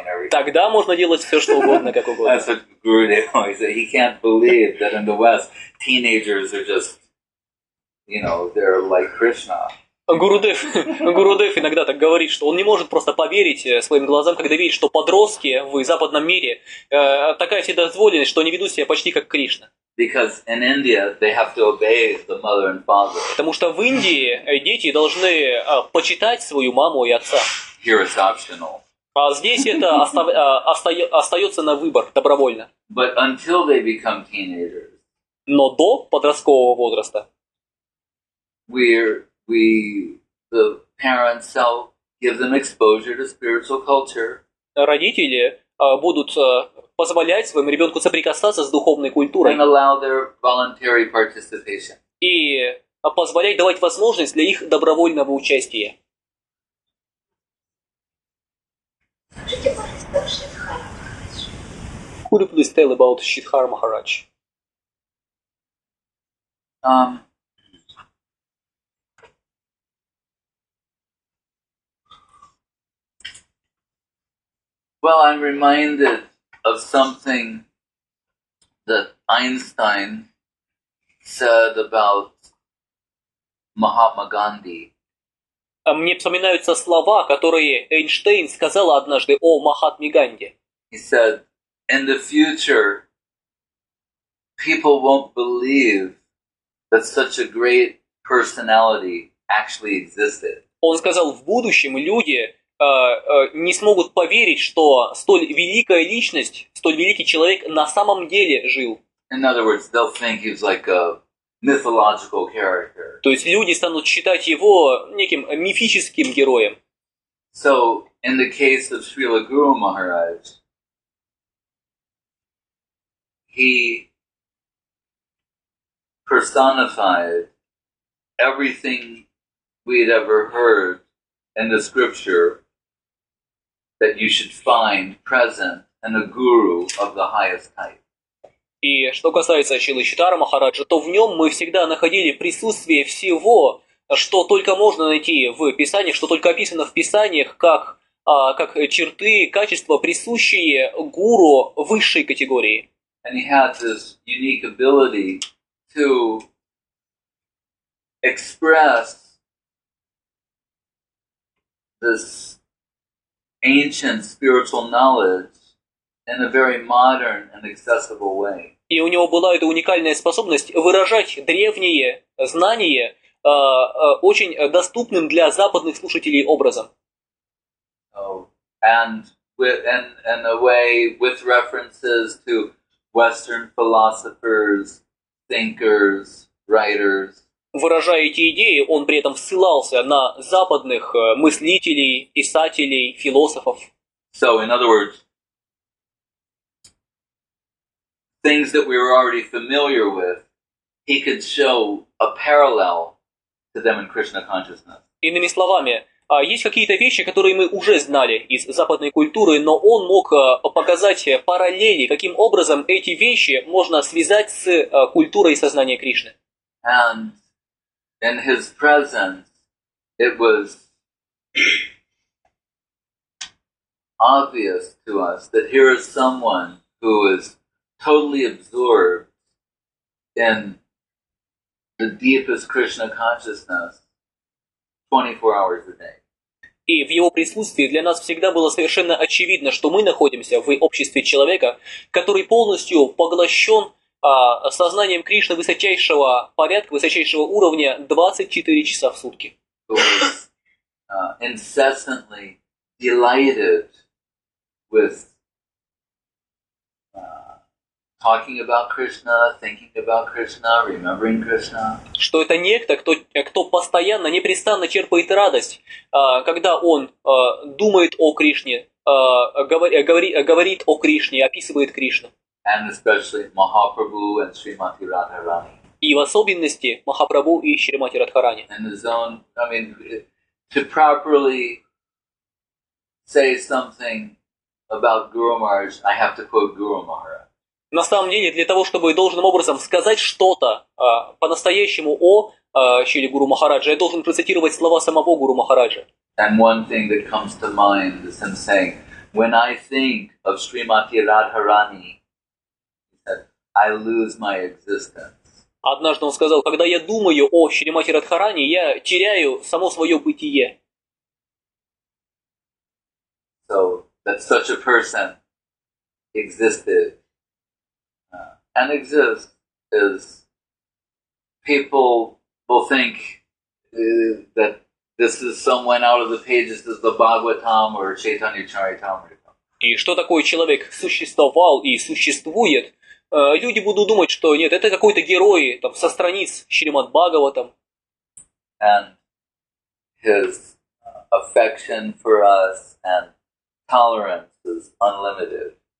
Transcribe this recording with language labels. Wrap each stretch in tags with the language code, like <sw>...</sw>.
<ru>Тогда можно делать все, что угодно, как угодно. Гурудев иногда так говорит, что он не может просто поверить своим глазам, когда видит, что подростки в западном мире такая вседозволенность, что они ведут себя почти как Кришна.</ru> <en>Because in India they have to obey the mother and father.</en> <ru>Потому что в Индии дети должны почитать свою маму и отца.</ru> <en>Here it's optional.</en> <ru>А здесь это остается на выбор, добровольно.</ru> <en>But until they become teenagers.</en> <ru>Но до подросткового возраста.</ru> <en>We, the parents, shall give them exposure to spiritual culture.</en> <ru>Родители будут позволять своему ребенку соприкасаться с духовной культурой.</ru> <en>And allow their voluntary participation.</en> <ru>И позволять давать возможность для их добровольного участия. Скажите, пожалуйста, Шридхар Махарадж.</ru> <en>Could you please tell about Шридхар Махарадж? Well, I'm reminded of something that Einstein said about Mahatma Gandhi.</en> <ru>Мне вспоминаются слова, которые Эйнштейн сказал однажды о Махатме Ганди.</ru> <en>He said, "In the future, people won't believe that such a great personality actually existed."</en> <ru>Он сказал, в будущем люди не смогут поверить, что столь великая личность, столь великий человек на самом деле жил.</ru> <en>In other words, they'll think he's like a mythological character.</en> <ru>То есть люди станут считать его неким мифическим героем.</ru> <en>So, in the case of Srila Guru Maharaj, he personified everything we'd ever heard in the scripture that you should find present in a guru of the highest type.</en> <ru>И что касается Шрилы Читара Махараджа, то в нем мы всегда находили присутствие всего, что только можно найти в Писаниях, что только описано в Писаниях, как черты, качества, присущие гуру высшей категории.</ru> <en>And he had this unique ability to express this ancient spiritual knowledge in a very modern and accessible way.</en> <ru>И у него была эта уникальная способность выражать древние знания очень доступным для западных слушателей образом.</ru> <en>And a way with references to Western philosophers, thinkers, writers.</en> <ru>Выражая эти идеи, он при этом ссылался на западных мыслителей, писателей, философов.</ru> <en>So, in other words, things that we were already familiar with, he could show a parallel to them in Krishna consciousness.</en> <ru>Иными словами, есть какие-то вещи, которые мы уже знали из западной культуры, но он мог показать параллели, каким образом эти вещи можно связать с культурой сознания Кришны.</ru> <en>And in his presence it was obvious to us that here is someone who is totally absorbed in the deepest Krishna consciousness 24 hours a day.</en> <ru>И в его присутствии для нас всегда было совершенно очевидно, что мы находимся в обществе человека, который полностью поглощен сознанием Кришны высочайшего порядка, высочайшего уровня 24 часа в сутки.</ru> <en>Incessantly delighted with talking about Krishna, thinking about Krishna, remembering Krishna.</en> <ru>Что это некто, кто постоянно, непрестанно черпает радость, когда он думает о Кришне, говорит о Кришне, описывает Кришну.</ru> <en>And especially Mahaprabhu and Srimati Radharani.</en> <ru>И в особенности Махапрабху и Шримати Радхарани.</ru> <en>And his own, I mean, to properly say something about Guru Maharaj, I have to quote Guru Maharaj.</en> <ru>На самом деле, для того, чтобы должным образом сказать что-то по-настоящему о Шриле Гуру Махараджа, я должен процитировать слова самого Гуру Махараджа.</ru> <en>And one thing that comes to mind is him saying, when I think of Srimati Radharani, I lose my existence.</en> <ru>Однажды он сказал, когда я думаю о Шримати Радхарани, я теряю само свое бытие.</ru> <en>So, that such a person existed. And exist is people will think that this is someone out of the pages of the Bhagavatam or Chaitanya Charitamrita.</en> <ru>И что такое человек существовал и существует? Люди будут думать, что нет, это какой-то герой там со страниц Шримад Бхагаватам.</ru> <en>And his affection for us and tolerance is unlimited.</en>